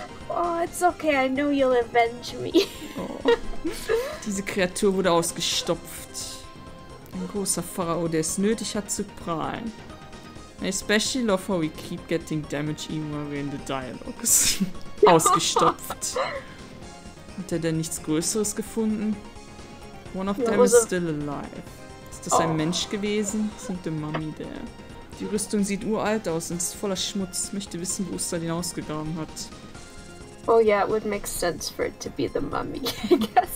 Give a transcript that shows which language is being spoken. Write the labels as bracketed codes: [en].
[en] Oh, it's okay, I know you'll avenge me. Oh. [de] Diese Kreatur wurde ausgestopft. Ein großer Pharao, der es nötig hat zu prahlen. [en] I especially love how we keep getting damage even while we're in the dialogues. [de] Ausgestopft. Hat er denn nichts Größeres gefunden? [en] One of them is still alive. [de] Ist das ein Mensch gewesen? [en] Sind die Mummy there? [de] Die Rüstung sieht uralt aus und ist voller Schmutz. Möchte wissen, wo Usta den ausgegraben hat. [en] Oh yeah, it would make sense for it to be the mummy, I guess.